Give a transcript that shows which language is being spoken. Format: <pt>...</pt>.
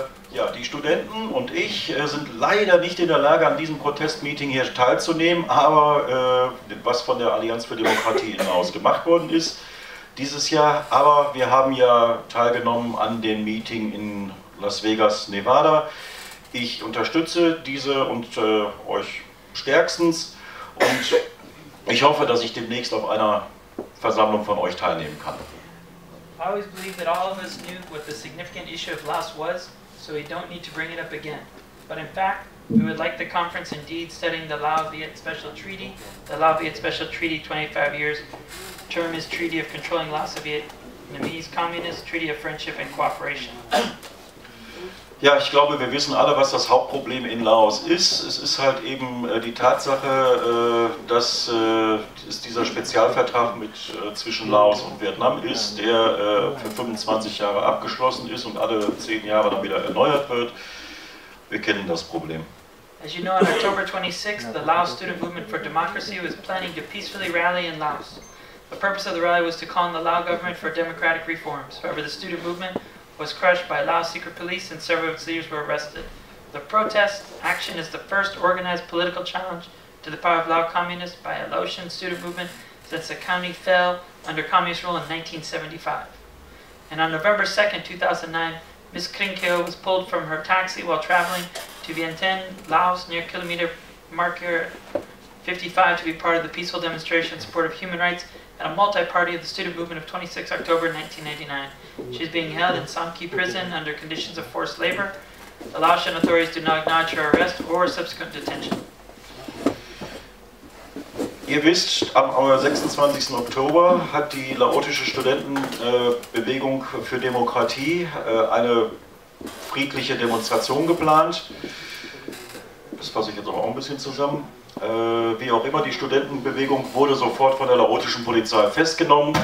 <de>Ja, die Studenten und ich sind leider nicht in der Lage, an diesem Protestmeeting hier teilzunehmen, aber was von der Allianz für Demokratie hinaus gemacht worden ist dieses Jahr. Aber wir haben ja teilgenommen an dem Meeting in Las Vegas, Nevada. Ich unterstütze diese und euch stärkstens. und ich hoffe, dass ich demnächst auf einer Versammlung von euch teilnehmen kann.</de> <en>I always believe that all of us knew what the significant issue of loss was, so we don't need to bring it up again. But in fact, we would like the conference indeed studying the Lao-Viet Special Treaty. The Lao-Viet Special Treaty, 25 years, term is Treaty of Controlling Laos and Viet, Vietnamese Communist Treaty of Friendship and Cooperation.</en> <de>Ja, ich glaube, wir wissen alle, was das Hauptproblem in Laos ist. Es ist halt eben die Tatsache, dass es dieser Spezialvertrag zwischen Laos und Vietnam ist, der für 25 Jahre abgeschlossen ist und alle 10 Jahre dann wieder erneuert wird. Wir kennen das Problem.</de> <en>As you know, on October 26th, the Laos Student Movement for Democracy was planning to peacefully rally in Laos. The purpose of the rally was to call on the Lao government for democratic reforms. However, the student movement was crushed by Laos secret police and several of its leaders were arrested. The protest action is the first organized political challenge to the power of Lao communists by a Laotian student movement since the county fell under communist rule in 1975. And on November 2nd, 2009, Ms. Krinkyo was pulled from her taxi while traveling to Vientiane, Laos, near kilometer marker 55 to be part of the peaceful demonstration in support of human rights at a multi-party of the student movement of 26 October 1989. She's being held in Samki prison under conditions of forced labor. The Laotian authorities do not acknowledge her arrest or subsequent detention.</en> <de>Ihr wisst, am 26. Oktober hat die laotische Studentenbewegung für Demokratie eine friedliche Demonstration geplant. Das fasse ich jetzt aber auch ein bisschen zusammen. Wie auch immer, die Studentenbewegung wurde sofort von der laotischen Polizei festgenommen.</de>